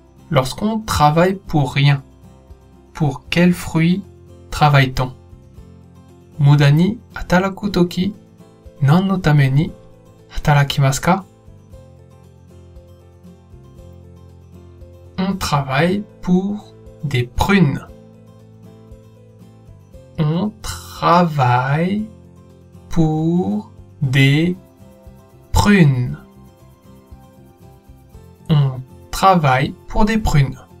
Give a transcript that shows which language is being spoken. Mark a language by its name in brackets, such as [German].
[French] Lorsqu'on travaille pour rien, pour quel fruit travaille-t-on? [Japanese] 無駄に働くとき、何のために働きますか? [French] On travaille pour des prunes. Travaille pour des prunes. On travaille pour des prunes.